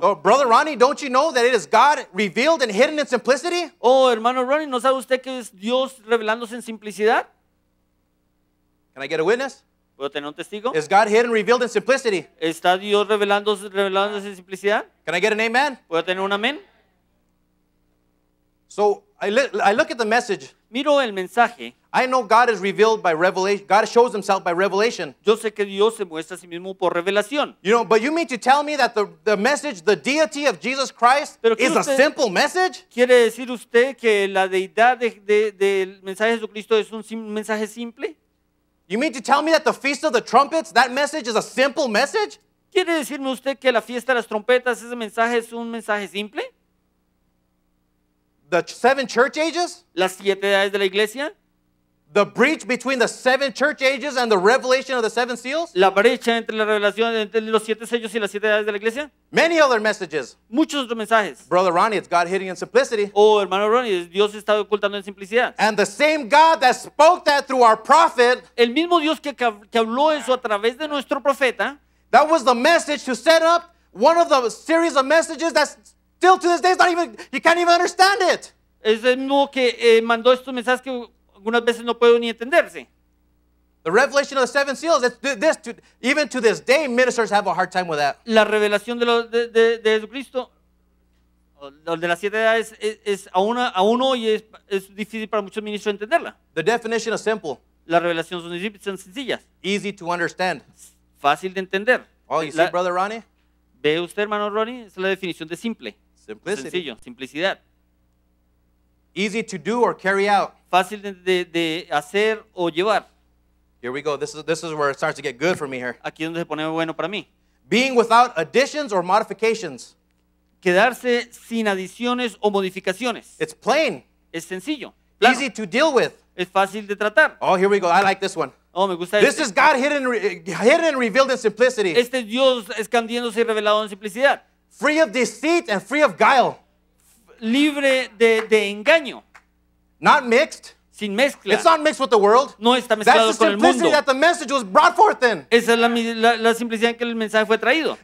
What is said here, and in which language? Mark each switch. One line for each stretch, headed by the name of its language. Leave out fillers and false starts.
English: Oh, Brother Ronnie, don't you know that it is God revealed and hidden in simplicity?
Spanish: Oh, hermano Ronnie, ¿no sabe usted que es Dios revelándose en simplicidad?
English: Can I get a witness?
Spanish: ¿Puedo tener un testigo?
English: Is God hidden, revealed in simplicity?
Spanish: ¿Está Dios revelándose en simplicidad?
English: Can I get an amen?
Spanish: ¿Puedo tener un amén?
English: So, I look at the message.
Spanish: Miro el mensaje.
English: I know God is revealed by revelation. God shows himself by revelation.
Spanish: Yo sé que Dios se muestra a sí mismo por revelación.
English: You know, but you mean to tell me that the message, the deity of Jesus Christ is a simple message?
Spanish: ¿Quiere decir usted que la deidad del mensaje de Jesucristo es un mensaje simple?
English: You mean to tell me that the Feast of the Trumpets, that message is a simple message?
Spanish: ¿Quiere decirme usted que la fiesta de las trompetas, ese mensaje es un mensaje simple?
English: The seven church ages?
Spanish: Las siete edades de la iglesia?
English: The breach between the seven church ages and the revelation of the seven seals?
Spanish: La brecha entre la revelación entre los siete sellos y las siete edades de la iglesia?
English: Many other messages.
Spanish: Muchos otros mensajes.
English: Brother Ronnie, it's God hidden in simplicity.
Spanish: Oh, hermano Ronnie, Dios está ocultando en simplicidad.
English: And the same God that spoke that through our prophet.
Spanish: El mismo Dios que habló eso a través de nuestro profeta.
English: That was the message to set up one of the series of messages that still to this day is not even, you can't even understand it.
Spanish: Es el mismo que mandó estos mensajes que algunas veces no puedo ni entenderse.
English: The revelation of the seven seals, even to this day, ministers have a hard time with that.
Spanish: La revelación de Jesucristo, de las siete edades, es aún hoy es difícil para muchos ministros entenderla.
English: The definition is simple.
Spanish: La revelación son sencillas.
English: Easy to understand.
Spanish: Fácil de entender.
English: Oh, you see, Brother Ronnie?
Spanish: ¿Ve usted, hermano Ronnie? Es la definición de simple.
English: Simplicity.
Spanish: Sencillo, simplicidad.
English: Easy to do or carry out.
Spanish: Fácil de hacer o llevar.
English: Here we go. This is where it starts to get good for me here.
Spanish: Aquí donde se pone bueno para mí.
English: Being without additions or modifications.
Spanish: Quedarse sin adiciones o modificaciones.
English: It's plain.
Spanish: Es sencillo. Plano.
English: Easy to deal with.
Spanish: Es fácil de tratar.
English: Oh, here we go. I like this one.
Spanish: Oh, me gusta.
English: This is God hidden and revealed in simplicity.
Spanish: Este Dios escondiéndose y revelado en simplicidad.
English: Free of deceit and free of guile.
Spanish: Libre de engaño.
English: Not mixed.
Spanish: Sin mezcla.
English: It's not mixed with the world.
Spanish: No está mezclado con el mundo.
English: That's the simplicity that the message was brought forth in.
Spanish: Esa es la simplicidad en que el mensaje fue traído.